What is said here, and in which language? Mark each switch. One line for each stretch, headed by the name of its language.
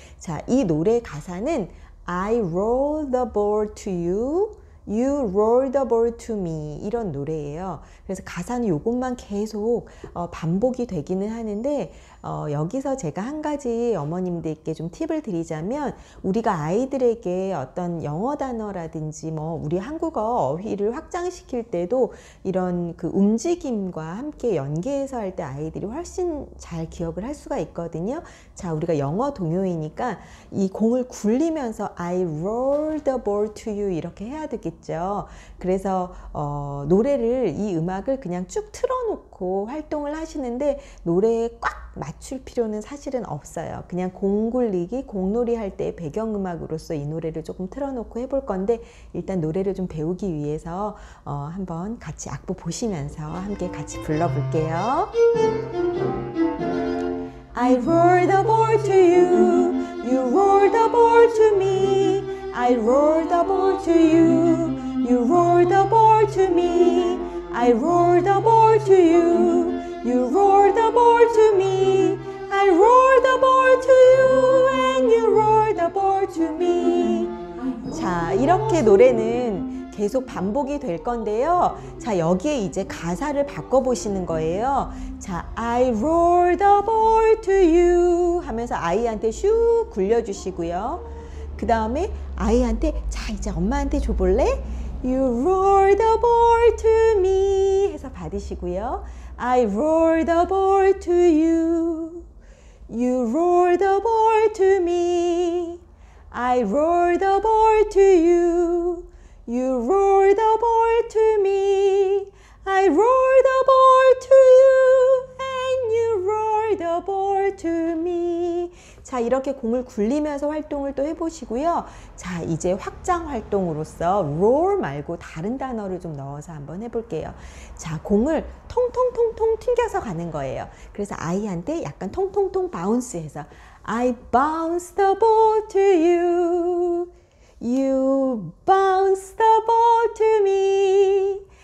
Korean: 자, 이 노래 가사는
English: I roll the ball to you, you roll the ball to me,
Korean: 이런 노래예요. 그래서 가사는 이것만 계속 반복이 되기는 하는데, 여기서 제가 한 가지 어머님들께 좀 팁을 드리자면, 우리가 아이들에게 어떤 영어 단어라든지 뭐 우리 한국어 어휘를 확장시킬 때도 이런 그 움직임과 함께 연계해서 할 때 아이들이 훨씬 잘 기억을 할 수가 있거든요. 자, 우리가 영어 동요이니까 이 공을 굴리면서
English: I roll the ball to you
Korean: 이렇게 해야 되겠죠. 그래서 노래를, 이 음악을 그냥 쭉 틀어놓고 활동을 하시는데 노래에 꽉 맞출 필요는 사실은 없어요. 그냥 공 굴리기, 공놀이 할 때 배경음악으로서 이 노래를 조금 틀어놓고 해볼 건데, 일단 노래를 좀 배우기 위해서 한번 같이 악보 보시면서 함께 같이 불러볼게요.
English: I roll the ball to you, you roll the ball to me. I roll the ball to you, you roll the ball to me. I roll the ball to you, you roll the ball to me. I roll the ball to you and you roll the ball to me.
Korean: 자, 이렇게 노래는 계속 반복이 될 건데요. 자, 여기에 이제 가사를 바꿔 보시는 거예요. 자,
English: I roll the ball to you
Korean: 하면서 아이한테 슉 굴려 주시고요. 그 다음에 아이한테, 자, 이제 엄마한테 줘볼래?
English: You roll the ball to me
Korean: 해서 받으시고요.
English: I roll the ball to you, you roll the ball to me. I roll the ball to you, you roll the ball to me. I roll the ball to you and you roll the ball to me.
Korean: 자, 이렇게 공을 굴리면서 활동을 또 해보시고요. 자, 이제 확장 활동으로서 roll 말고 다른 단어를 좀 넣어서 한번 해볼게요. 자, 공을 통통통통 튕겨서 가는 거예요. 그래서 아이한테 약간 통통통
English: bounce
Korean: 해서
English: I bounce the ball to you, you bounce the ball to me.